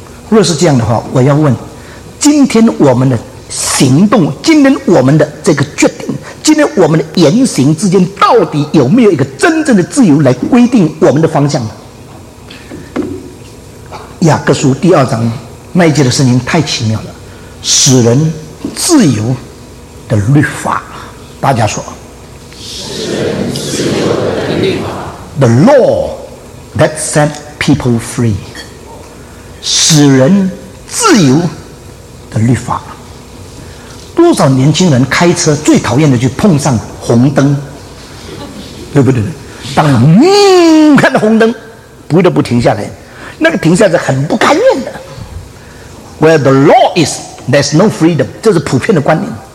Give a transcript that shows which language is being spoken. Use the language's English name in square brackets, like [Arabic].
[Chinese] 若是这样的话，我要问，今天我们的行动，今天我们的这个决定，今天我们的言行之间到底有没有一个真正的自由来规定我们的方向呢？雅各书第二章那一节的圣经太奇妙了，使人自由的律法，大家说，使人自由的律法 [English] ，the law that set people free， [Chinese] 使人自由的律法。多少年轻人开车最讨厌的就碰上红灯，对不对？当然，看到红灯，不得不停下来，那个停下来很不甘愿的。 [English] Where the law is。 There's no freedom， [Chinese] 这是普遍的观念。